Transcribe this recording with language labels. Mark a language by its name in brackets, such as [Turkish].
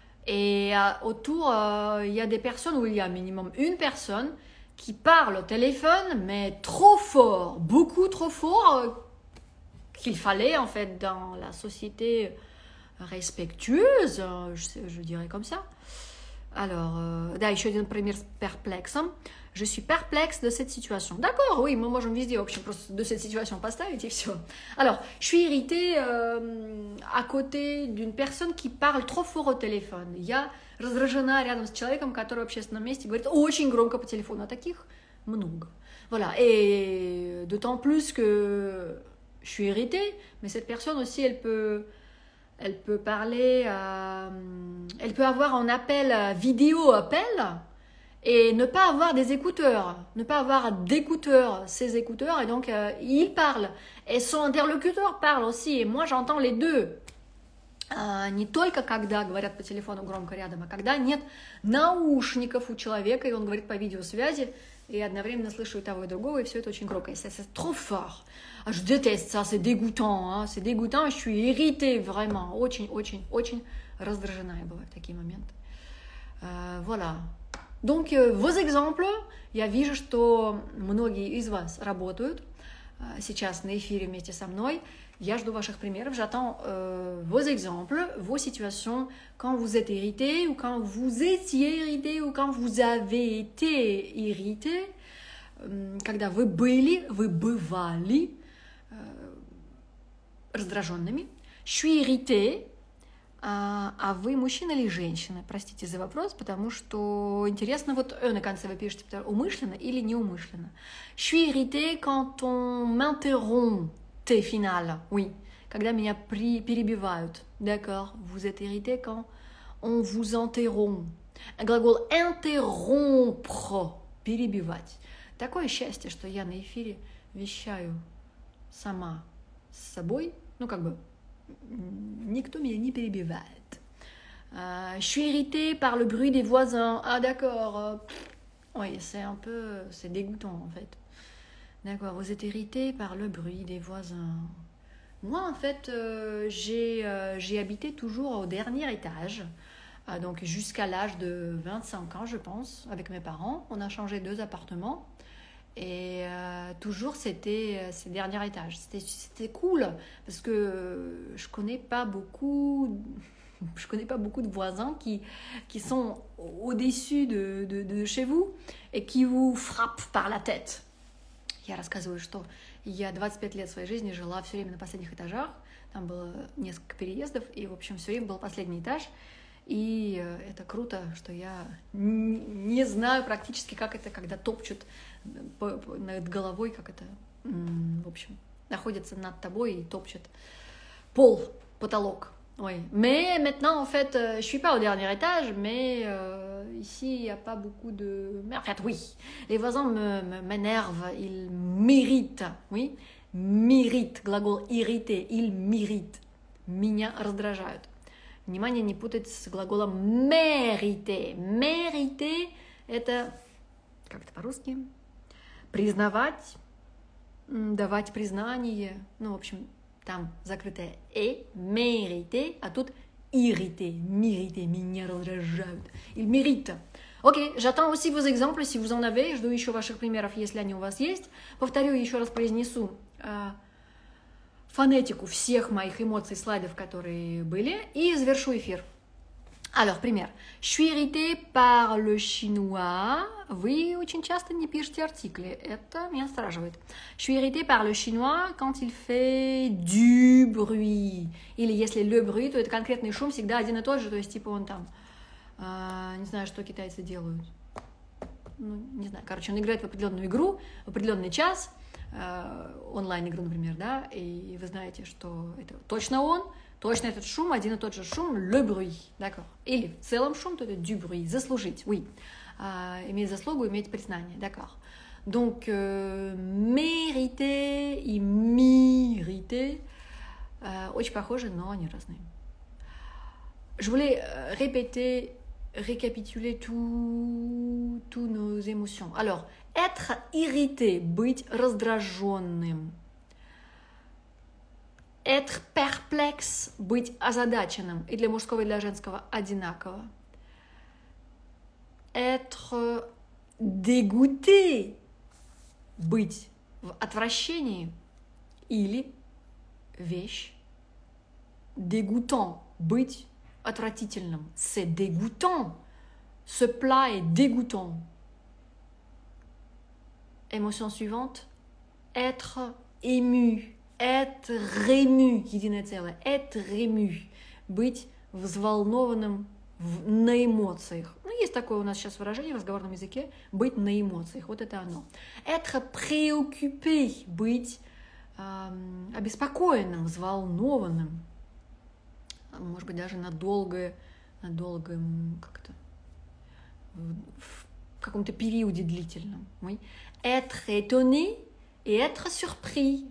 [French] Et autour, il y a des personnes où il y a minimum une personne qui parle au téléphone, mais trop fort, beaucoup trop fort qu'il fallait, en fait, dans la société respectueuse, je dirais comme ça. Alors, d'ailleurs, je suis première perplexe. Hein. Je suis perplexe de cette situation. D'accord, oui, moi je me disais, oh, de cette situation, pas ça, et tout. Alors, je suis irritée à côté d'une personne qui parle trop fort au téléphone. [Russian] Я раздражена рядом с человеком, который в общественном месте говорит очень громко по телефону. А таких много. [French] Voilà, et d'autant plus que je suis irritée, mais cette personne aussi, elle peut parler, elle peut avoir un appel vidéo appel et ne pas avoir des écouteurs, ne pas avoir d'écouteurs, ses écouteurs, et donc il parle et son interlocuteur parle aussi et moi j'entends les deux. [Russian] Не только когда говорят по телефону громко рядом, а когда нет наушников у человека и он говорит по видеосвязи и одновременно слышу и того и другого и все это очень громко. [French] C'est trop fort. Je déteste ça, c'est dégoûtant, je suis irritée vraiment, [Russian] очень раздражена я бываю в такие моменты. [French] Voilà. Donc, vos exemples, [Russian] я вижу, что многие из вас работают сейчас на эфире вместе со мной. Я жду ваших примеров, [French] j'attends vos exemples, vos situations, quand vous êtes irrité, ou quand vous étiez irrité, ou quand vous avez été irrité, [Russian] когда вы бывали раздраженными. [French] Je suis irrité. [Russian] А вы мужчина или женщина? Простите за вопрос, потому что интересно, вот на конце вы пишете, умышленно или неумышленно. [French] Je suis irrité quand on m'interrompt final. [Russian] Oui. Когда меня перебивают. [French] D'accord. Vous êtes irrité quand on vous interrompt. Un глагол interrompre. [Russian] Перебивать. Такое счастье, что я на эфире вещаю сама с собой. Ну, как бы, никто меня не перебивает. [French] Je suis irritée par le bruit des voisins. Ah, d'accord. Oui, c'est un peu... C'est dégoûtant, en fait. D'accord, vous êtes irritée par le bruit des voisins. Moi, en fait, j'ai habité toujours au dernier étage. Donc, jusqu'à l'âge de 25 ans, je pense, avec mes parents. On a changé deux appartements. Et toujours, c'était ces derniers étages. C'était cool, parce que je connais pas beaucoup je ne connais pas beaucoup de voisins qui sont au-dessus de chez vous et qui vous frappent par la tête. [Russian] Я рассказываю, что я 25 лет своей жизни жила все время на последних этажах. Там было несколько переездов, и, в общем, все время был последний этаж. И это круто, что я не знаю практически, как это, когда топчут над головой, как это, в общем, находится над тобой и топчут пол, потолок. Ой. [French] Mais maintenant, en fait, je suis pas au dernier étage, mais ici, il y a pas beaucoup de... Mais en fait, oui, les voisins m'énervent, ils m'irritent, oui. [Russian] Мирить, глагол ирите, или мирить, меня раздражают. Внимание, не путать с глаголом мерите. Мерите – это, как это по-русски, признавать, давать признание. Ну, в общем, там закрытое «э», мерите, а тут ирите, мирите, меня раздражают. Или мирите. [French] Окей, j'attends aussi vos exemples, si vous en avez. [Russian] Жду еще ваших примеров, если они у вас есть. Повторю, еще раз произнесу фонетику всех моих эмоций, слайдов, которые были, и завершу эфир. Alors, пример. [French] Je suis irrité par le chinois. [Russian] Вы очень часто не пишете артикли. Это меня настораживает. [French] Je suis irrité par le chinois quand il fait du bruit. [Russian] Или если le bruit, то это конкретный шум, всегда один и тот же, то есть типа он там... не знаю, что китайцы делают. Ну, не знаю. Короче, он играет в определенную игру в определенный час, онлайн-игру, например, да, и вы знаете, что это точно он, точно этот шум, один и тот же шум, [French] le bruit, d'accord. [Russian] Или в целом шум, то это du bruit, заслужить, oui. Иметь заслугу, иметь признание, d'accord. Donc, mériter и мириter очень похожи, но они разные. [French] Je voulais répéter, récapituler tous nos émotions. Alors, être irrité, [Russian] быть раздраженным. [French] Être perplexe, [Russian] быть озадаченным. И для мужского, и для женского одинаково. [French] Être dégoûté, [Russian] быть в отвращении. Или вещь. [French] Dégoûtant, [Russian] быть отвратительным. [French] C'est dégoûtant. Ce plat est dégoûtant. Émotion suivante. Être ému. Être ému. [Russian] Единое целое. [French] Être ému. [Russian] Быть взволнованным на эмоциях. Ну, есть такое у нас сейчас выражение в разговорном языке. Быть на эмоциях. Вот это оно. [French] Être préoccupé. [Russian] Быть обеспокоенным, взволнованным. Может быть, даже надолгое, как-то, в каком-то периоде длительном. [French] Oui. Être étonné et être surpris.